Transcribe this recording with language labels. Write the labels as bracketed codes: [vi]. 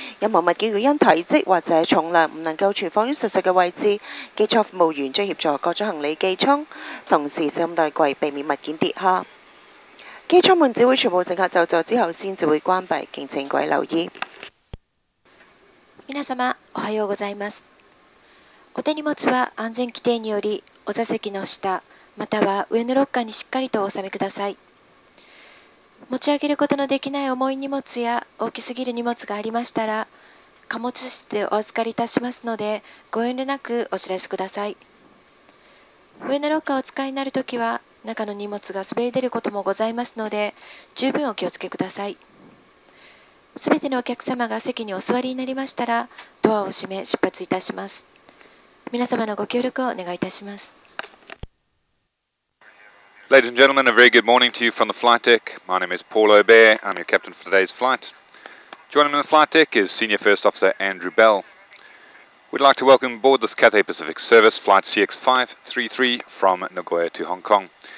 [yue] 任何物件如因體積或者重量唔能夠存放於實際嘅位置，機艙服務員將協助各種行李寄倉，同時使用大櫃避免物件跌下。機艙門只會全部乘客就座之後先至會關閉，敬請各位留意。 [ja] 皆様、おはようございます。お手荷物は安全規定により、お座席の下。または上のロッカーにしっかりとお納めください。持ち上げることのできない重い荷物や大きすぎる荷物がありましたら、貨物室でお預かりいたしますので、ご遠慮なくお知らせください。上のロッカーをお使いになるときは、中の荷物が滑り出ることもございますので、十分お気をつけください。すべてのお客様が席にお座りになりましたら、ドアを閉め出発いたします。皆様のご協力をお願いいたします。 [en] Ladies and gentlemen, a very good morning to you from the flight deck. My name is Paul O'Bear. I'm your captain for today's flight. Joining me on the flight deck is Senior First Officer Andrew Bell. We'd like to welcome aboard this Cathay Pacific service, flight CX533 from Nagoya to Hong Kong.